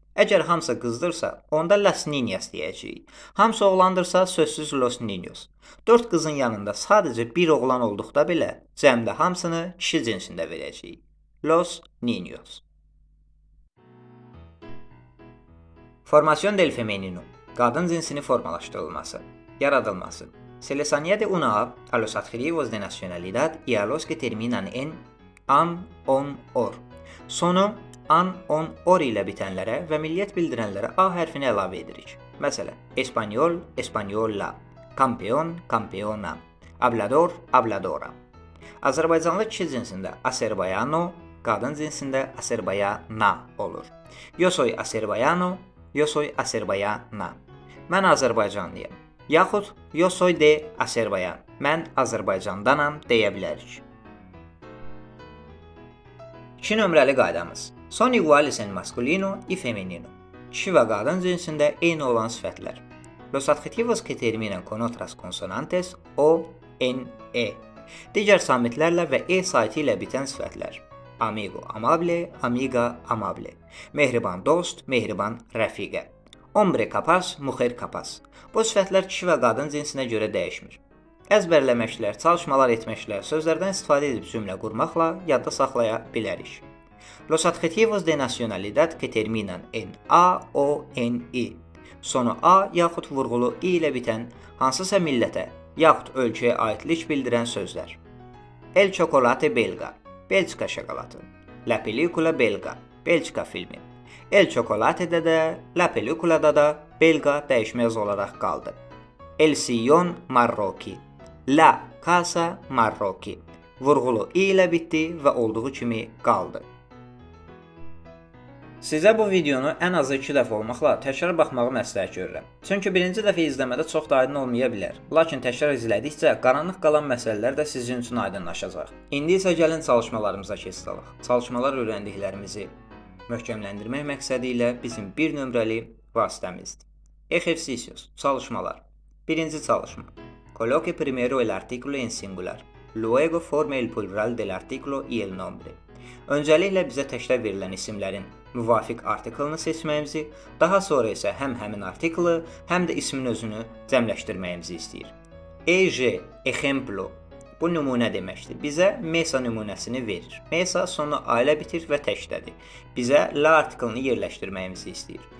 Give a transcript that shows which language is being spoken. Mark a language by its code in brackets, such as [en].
[az] Əgər hamısı qızdırsa, onda [es] las ninyas [az] deyəcəyik. Hamısı oğlandırsa, sözsüz [es] los ninyos. [az] 4 qızın yanında sadəcə bir oğlan olduqda belə, cəmdə hamısını kişi cinsində verəcəyik. [es] Los ninyos. Formasyon del femenino. [az] Qadın cinsini formalaşdırılması. Yaradılması. [es] Se les añade una A a los adjetivos de nacionalidad y a los que terminan en an, on, or. [az] Sonu an, on, or ilə bitənlərə və milliyyət bildirənlərə A hərfini əlavə edirik. Məsələn, [es] español, española, campeón, campeona, hablador, habladora. [az] Azərbaycanlı kişi cinsində azerbaiano, qadın cinsində azerbaiana olur. [es] Yo soy azerbaiano, yo soy azerbaiana. [az] Mən azərbaycanlıyam. Yaxud, [es] yo soy de Azerbaycan. [az] Mən Azərbaycandanam deyə bilərik. 2 nömrəli qaydamız. [es] Son iguales en masculino y femenino. [az] Kişi və qadın cinsində eyni olan sifətlər. [es] Los adjetivos que terminan con otras consonantes o, en, e. [az] Digər samitlərlə və e saiti ilə bitən sifətlər. [es] Amigo, amable, amiga, amable. [az] Mehriban dost, mehriban rəfiqə. [es] Hombre capaz, mujer capaz. [az] Bu sifətlər kişi və qadın cinsinə görə dəyişmir. Əzbərləməklər, çalışmalar etməklər, sözlərdən istifadə edib cümlə qurmaqla yadda saxlaya bilərik. [es] Los adjetivos de nacionalidad que terminan en A, O, N, I. [az] Sonu A yaxud vurğulu I ilə bitən, hansısa millətə yaxud ölkəyə aidlik bildirən sözlər. [es] El chocolate belga, [az] Belçika şokoladı. [es] La película belga, [az] Belçika filmi. El chocolate'de de, la película'da da, belga dəyişməz olaraq qaldı. [es] El sillón marroquí, la casa marroquí. [az] Vurğulu i ilə bitdi və olduğu kimi qaldı. Sizə bu videonu ən azı 2 dəfə olmaqla təkrar baxmağı məsləhət görürəm. Çünki birinci dəfə izləmədə çox da aydın olmaya bilər. Lakin təkrar izlədikcə qaranlıq qalan məsələlər də sizin üçün aydınlaşacaq. İndi isə gəlin çalışmalarımıza keçək. Çalışmalar öyrəndiklərimizi möhkəmləndirmək məqsədi ilə bizim bir nömrəli vasitəmizdir. [es] Ejercicios, [az] çalışmalar. Birinci çalışma. [es] Coloque primero el artículo en singular. Luego forme el plural del artículo y el nombre. [az] Öncəliklə bizə təklif verilən isimlərin müvafiq artiklını seçməyimizi, daha sonra isə həm həmin artiklı, həm də ismin özünü cəmləşdirməyimizi istəyir. EJ, ejemplo, bu nümunə deməkdir. Bizə mesa nümunəsini verir. Mesa sonu ailə bitir və təkdədir. Bizə la artiklını yerləşdirməyimizi istəyir.